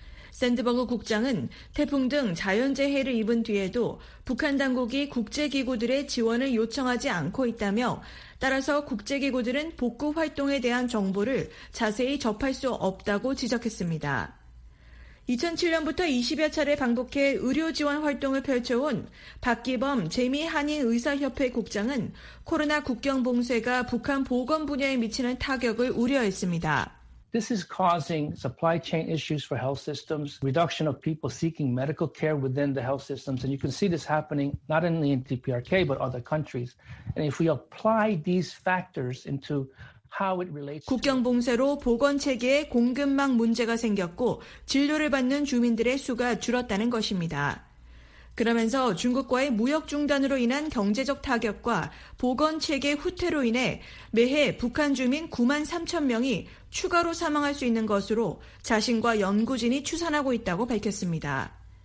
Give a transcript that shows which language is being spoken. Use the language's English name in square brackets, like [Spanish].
[Korean] 샌드버그 국장은 태풍 등 자연재해를 입은 뒤에도 북한 당국이 국제기구들의 지원을 요청하지 않고 있다며 따라서 국제기구들은 복구 활동에 대한 정보를 자세히 접할 수 없다고 지적했습니다. 2007년부터 20여 차례 방북해 의료지원 활동을 펼쳐온 박기범 재미한인의사협회 국장은 코로나 국경 봉쇄가 북한 보건 분야에 미치는 타격을 우려했습니다. [English] This is causing supply chain issues for health systems, reduction of people seeking medical care within the health systems, and you can see this happening not only in TPRK but other countries. And if we apply these factors into how it relates, [Korean] 국경 봉쇄로 보건 체계에 공급망 문제가 생겼고 진료를 받는 주민들의 수가 줄었다는 것입니다. 그러면서 중국과의 무역 중단으로 인한 경제적 타격과 보건 체계 후퇴로 인해 매해 북한 주민 9만 3천 명이 추가로 사망할 수 있는 것으로 자신과 연구진이 추산하고 있다고 밝혔습니다.